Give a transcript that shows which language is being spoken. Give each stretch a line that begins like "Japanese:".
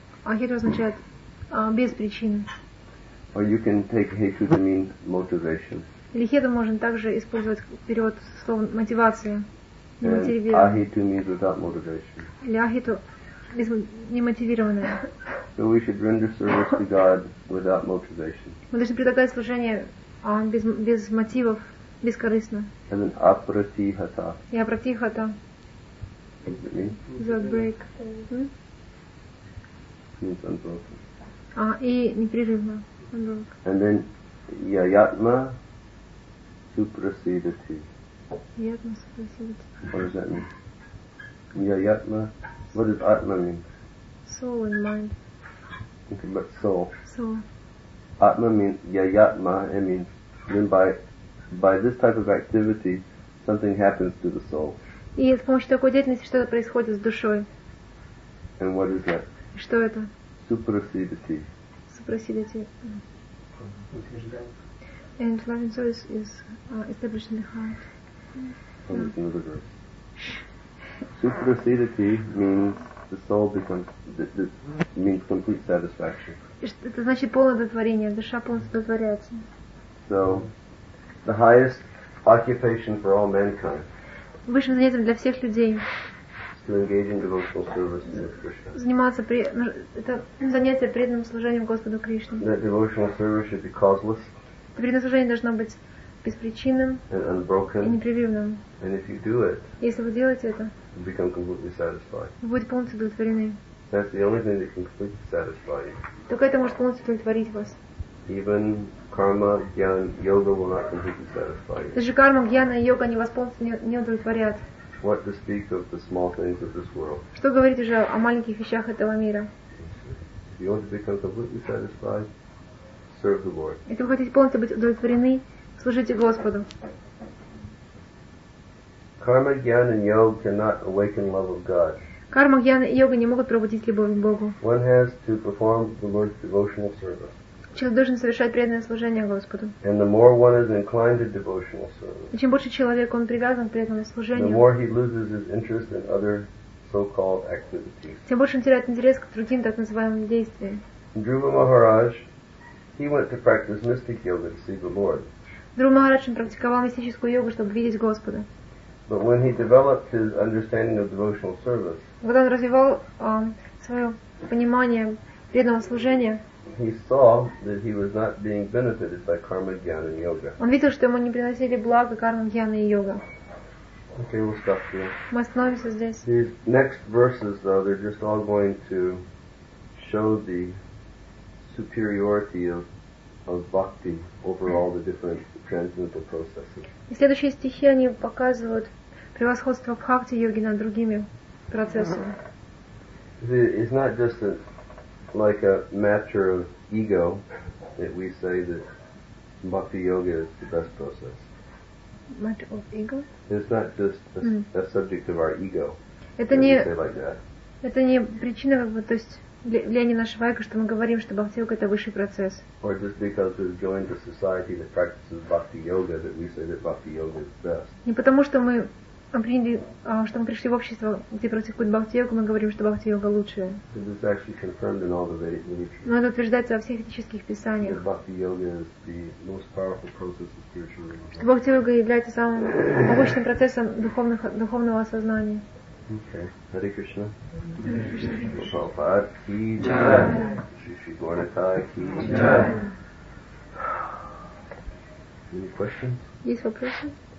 Russian: Ахиту означает без причины.
English: Or you can take hetu to mean motivation.
Russian: Или хету можно также использовать перевод слова мотивация, не мотивированная.
English: Ахиту means without motivation.
Russian: Или ахиту без немотивированная.
English: So we should render service to God without motivation.
Russian: Мы должны предлагать служение без мотивов, бескорыстно.
English: And then апратихата.
Russian: И апратихата.
English: Without break. Means unbroken.
Russian: И непрерывно.
English: And then Yayatma Suprasidati.
Sanskrit: Yayatma Suprasidati.
English: What does that mean? Yayatma. What does Atma mean? Soul and mind. Okay, but soul. Soul. Atma means Yayatma, it means then by this type of activity something happens to the soul.
Russian: И с помощью такой деятельности что-то происходит с душой.
English: And what is that?
Russian: Что это?
Sanskrit: Suprasidati. Suprasidati.
English: And loving service is established in the heart. Suprasidati means the soul becomes means complete satisfaction.
Russian: Это значит полное удовлетворение. Душа полностью удовлетворяется.
English: So, the highest occupation for all mankind.
Russian: Высшим занятием для всех людей.
English: To engage in devotional service to Krishna.
Russian: Заниматься это занятие преданным служением Господу Кришне.
English: That devotional service should be causeless.
Russian: Преданное служение должно быть беспричинным.
English: And unbroken.
Russian: И непрерывным.
English: And if you do it.
Russian: Если вы делаете это.
English: Become completely satisfied.
Russian: Вы будете полностью удовлетворены.
English: That's the only thing that can completely satisfy you.
Russian: Только это может полностью удовлетворить вас.
English: Even karma, jnana, yoga will not completely satisfy you.
Russian: Даже карма, джнана и йога не вас полностью не удовлетворят.
English: What to speak of the small things of this world?
Russian: Что говорить уже о маленьких вещах этого мира?
English: If you want to become completely satisfied, serve the Lord.
Russian: Если вы хотите полностью быть удовлетворены, служите Господу.
English: Karma, jnana and yoga cannot awaken love of God.
Russian: Карма, джнана и йога не могут пробудить любовь к Богу.
English: One has to perform the Lord's devotional service.
Russian: Человек должен совершать преданное служение Господу.
English: And the more one is inclined to devotional service,
Russian: чем больше человек он привязан к преданному служению,
English: the more he loses his interest in other so-called activities.
Russian: Тем больше он теряет интерес к другим так называемым действиям.
English: Dhruva Maharaj, he went to practice mystic yoga to see the Lord.
Russian: Dhruva Maharaj практиковал мистическую йогу, чтобы видеть Господа.
English: But when he developed his understanding of devotional service,
Russian: когда он развивал свое понимание преданного служения,
English: he saw that he was not being benefited by karma, jnana and yoga.
Russian: Он видел, что ему не приносили блага карма, джнана и йога.
English: Okay, we'll stop here.
Russian: Мы остановимся здесь.
English: These next verses, though, they're just all going to show the superiority of bhakti over all the different transcendental processes.
Russian: И следующие стихи они показывают превосходство бхакти йоги над другими процессами.
English: It's not just that. Like a matter of ego, that we say that bhakti yoga is the best process. Matter of ego? It's not just a subject of our ego.
Russian: Это не
English: like that.
Russian: Это не причина, как бы, то есть Ленина Швайка, что мы говорим, что бхакти-йога — это высший процесс.
English: Or just because we've joined a society that practices bhakti-yoga, that we say that bhakti-yoga is best.
Russian: Не потому, что мы приняли, что мы пришли в общество, где практикуют бхакти-йогу, мы говорим, что бхакти-йога лучшая.
English: This is actually confirmed in all the Vedic literature.
Russian: Но это утверждается во всех этических писаниях.
English: That bhakti-yoga is the most powerful process of spiritual realization.
Russian: Что бхакти-йога является самым мощным процессом духовного осознания.
English: Okay, Hare Krishna. Prabhupada ki jai.
Sanskrit: Shri Shri Gaurataya ki jai.
English: Any questions?